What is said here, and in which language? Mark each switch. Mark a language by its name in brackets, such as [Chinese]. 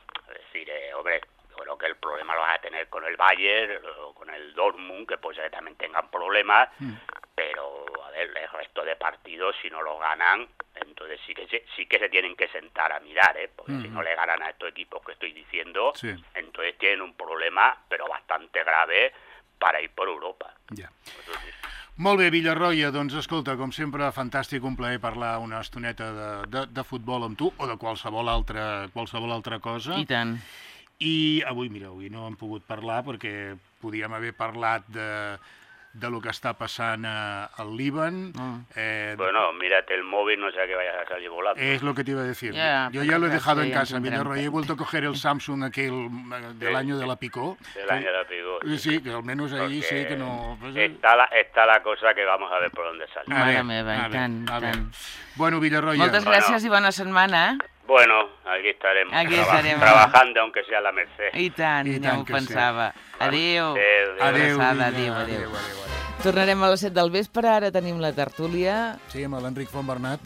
[Spanish] Es decir, hombre, yo creo que el problema lo vas a tener con el Bayern o con el Dortmund, que puede ser que también tengan problemas, pero a ver, el resto de partidos, si no lo ganan, entonces sí que se tienen que sentar a mirar, porque si no le ganan a estos equipos que estoy diciendo, entonces tienen un problema, pero bastante grave, para ir por Europa. [Catalan] Molt bé, Villarroya, doncs escolta, com sempre, fantàstic, un plaer parlar una estoneta de futbol amb tu o de qualsevol altra cosa. I tant. I avui, mira, avui no hem pogut parlar perquè podíem haver parlat de lo que està passant al Líban. [Spanish] Bueno, mírate el móvil, no sé que vayas a salir volando. Es lo que te iba a decir. [English] Yeah, [Spanish] yo ya lo he dejado en casa, mira, Roy, he vuelto a coger el Samsung aquel del año de la Picó. Del año de la Picó. Sí, que al menos ahí sí que no... Pues, está la cosa que vamos a ver por dónde sale. [Catalan] Mare meva, tant. Bueno, Villarroya. Moltes gràcies i bona setmana. [Spanish] Bueno, aquí estaremos. Aquí estaremos. Trabajando, aunque sea la merced. [Catalan] I tant, ja ho pensava. Adéu. Adéu. Adéu. Adéu. Tornarem a les 7 del vespre, ara tenim la tertúlia. Sí, amb l'Enric Fontbernat.